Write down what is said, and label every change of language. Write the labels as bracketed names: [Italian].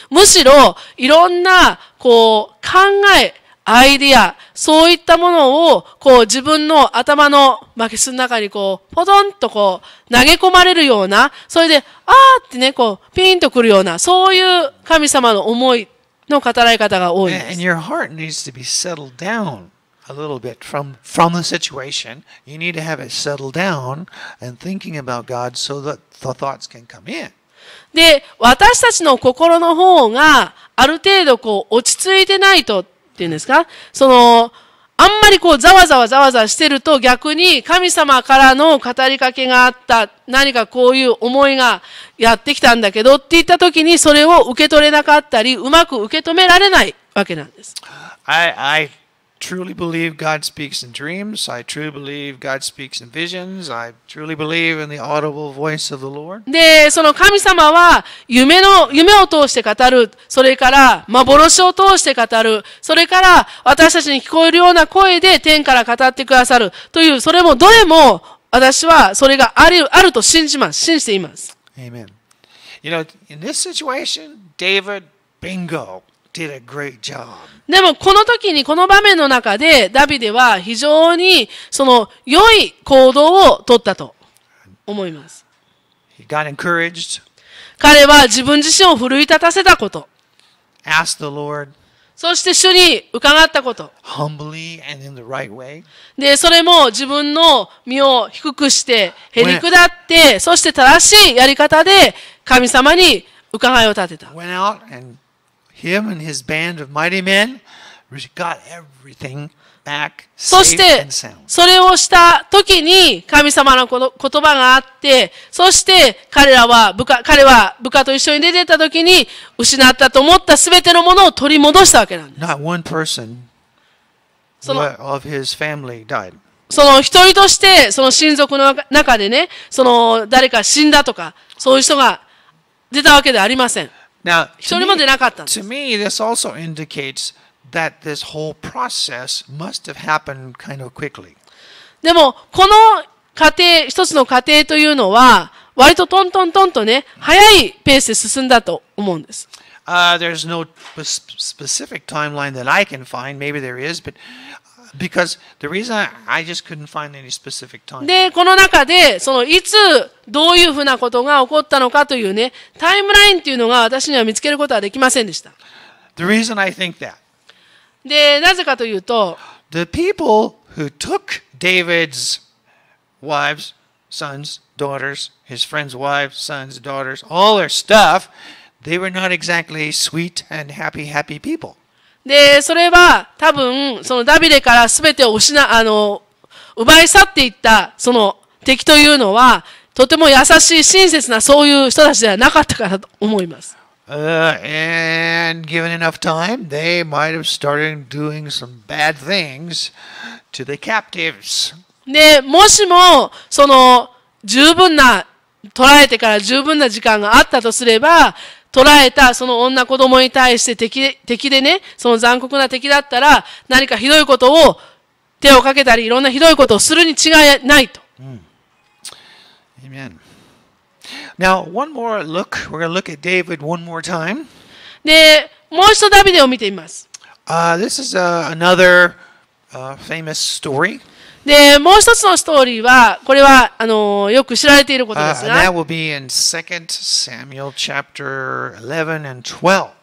[Japanese] むしろ、いろんな、こう、考え、アイディア、そういったものを、こう、自分の頭の巻きすの中に、こう、ポトンとこう、投げ込まれるような、それで、あーってね、こう、ピンとくるような、そういう神様の思いの語られ方が多いんです。 [English] And your heart needs to be settled down. A little bit from the situation, you need to have it settled down and thinking about God so that the thoughts can come in. [Japanese] で、私たちの心の方がある程度こう落ち着いてないとっていうんですか、そのあんまりこうざわざわざわざしてると逆に神様からの語りかけがあった、何かこういう思いがやってきたんだけどって言った時にそれを受け取れなかったり、うまく受け止められないわけなんです。 [English] I truly believe God speaks in dreams. I truly believe God speaks in visions. I truly believe in the audible voice of the Lord. [Japanese] で、その神様は夢を通して語る、それから幻を通して語る、それから私たちに聞こえるような声で天から語ってくださるという、それもどれも私はそれがあると信じます、信じています。 [English] Amen. You know, in this situation, David, bingo. Did a great job. [Japanese] でもこの時にこの場面の中でダビデは非常にその良い行動を取ったと思います。 [English] He got encouraged. [Japanese] 彼は自分自身を奮い立たせたこと。 [English] Asked the Lord. [Japanese] そして主に伺ったこと。 [English] Humbly and in the right way. [Japanese] で、それも自分の身を低くしてへり下って、そして正しいやり方で神様に伺いを立てた。 [English] Went out andHim and his band of mighty men got everything back safe and sound. [Japanese] それをした時に神様の言葉があって、そして彼は部下と一緒に出てた時に失ったと思った全てのものを取り戻したわけなんです。 [English] Not one person of his family died. [Japanese] その一人としてその親族の中でね、その誰か死んだとかそういう人が出たわけではありません。 [English] Now, [Japanese] 一人も出なかったんです。 [English] To me, this also indicates that this whole process must have happened kind of quickly. [Japanese] でも、この過程、一つの過程というのは、割とトントントンとね、早いペースで進んだと思うんです。 [English] There's no specific timeline that I can find. Maybe there is, but because the reason I just couldn't find any specific time. [Japanese] で、この中で、その、いつ、どういうふうなことが起こったのかというね、タイムラインっていうのが私には見つけることはできませんでした。 [English] The reason I think that. [Japanese] で、なぜかというと、 [English] The people who took David's wives, sons, daughters, his friends' wives, sons, daughters, all their stuff, they were not exactly sweet and happy, happy people. [Japanese] で、それは多分、そのダビデからすべてを奪い去っていったその敵というのは、とても優しい親切なそういう人たちではなかったからと思います。 [English] And given enough time, they might have started doing some bad things to the captives. [Japanese] で、もしもその十分な捕らえてから十分な時間があったとすれば、捕らえたその女子供に対して敵でね、その残酷な敵だったら何かひどいことを手をかけたり、いろんなひどいことをするに違いないと。 [English] Amen. Now, one more look. We're going to look at David one more time. [Japanese] で、もう一度ダビデを見てみます。 [English] This is another famous story. [Japanese] で、もう一つのストーリーは、これはあのよく知られていることですが、 [English] That will be in 2 Samuel chapter 11 and 12.